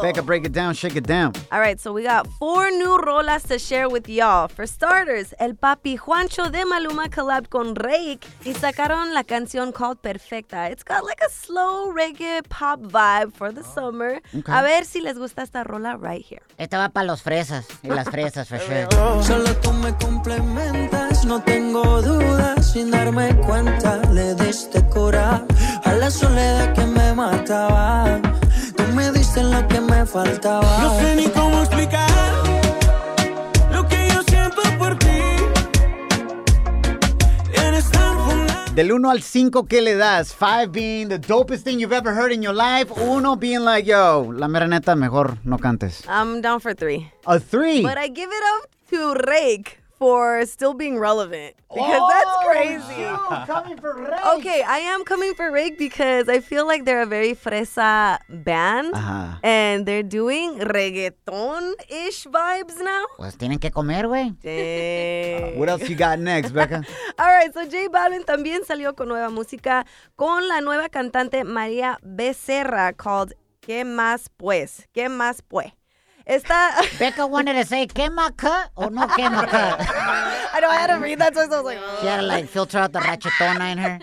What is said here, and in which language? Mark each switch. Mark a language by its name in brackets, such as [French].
[English] Becca, break it down, shake it down. All right, so we got four new rolas to share with y'all. For starters, El Papi Juancho de Maluma collabed [Spanish] con Reik y sacaron la canción [English] called Perfecta. It's got like a slow reggae pop vibe for the summer. [Spanish] Okay. A ver si les gusta esta rola [English] right here. [Spanish] Esta va para los fresas y las fresas, [English] for sure. [Spanish] Solo tú me complementas, no tengo dudas, sin darme cuenta, le diste cura a la soledad que me mata. Tú me diste lo que me faltaba. No sé ni cómo explicar lo que yo siento por ti. Eres tan fundamental. Del 1 al 5, ¿qué le das? [English] 5 being the dopest thing you've ever heard in your life. 1 being like, [Spanish] yo, la mera neta, mejor no cantes. [English] I'm down for 3. A 3. But I give it up to Reik for still being relevant. Because that's crazy. You coming for Reik. Okay, I am coming for Reik because I feel like they're a very fresa band. Uh-huh. And they're doing reggaeton-ish vibes now. [Spanish] Pues tienen que comer, güey. [English] What else you got next, Becca? All right, so [Spanish] J Balvin también salió con nueva música con la nueva cantante María Becerra [English] called [Spanish] ¿Qué más pues? ¿Qué más pues? Esta... [English] Becca wanted to say, ¿qué más cut o no qué más cut? I know, I had to read that, so I was like... Ugh. She had to, like, filter out the rachetona in her.